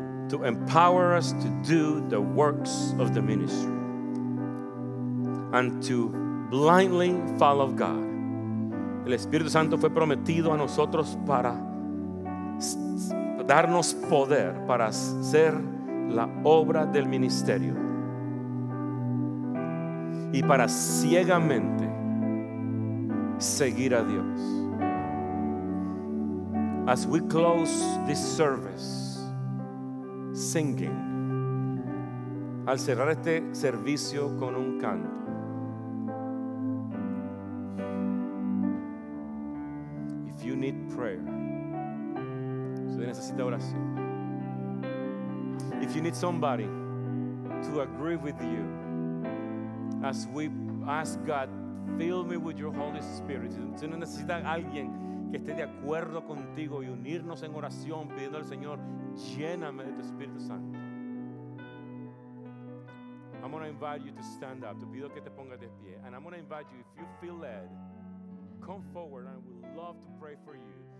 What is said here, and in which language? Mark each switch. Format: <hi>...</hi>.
<en>To empower us to do the works of the ministry. And to blindly follow God.</en> <es>El Espíritu Santo fue prometido a nosotros para darnos poder para hacer la obra del ministerio y para ciegamente seguir a Dios.</es> <en>As we close this service, singing,</en> <es>al cerrar este servicio con un canto,</es> <en>if you need prayer,</en> <es>usted necesita oración.</es> <en>If you need somebody to agree with you, as we ask God, fill me with your Holy Spirit.</en> <es>Si no necesita alguien que esté de acuerdo contigo y unirnos en oración pidiendo al Señor, lléname de tu Espíritu Santo.</es> <en>I'm going to invite you to stand up.</en> <es>Te pido que te pongas de pie.</es> <en>And I'm going to invite you, if you feel led, come forward and I would love to pray for you.</en>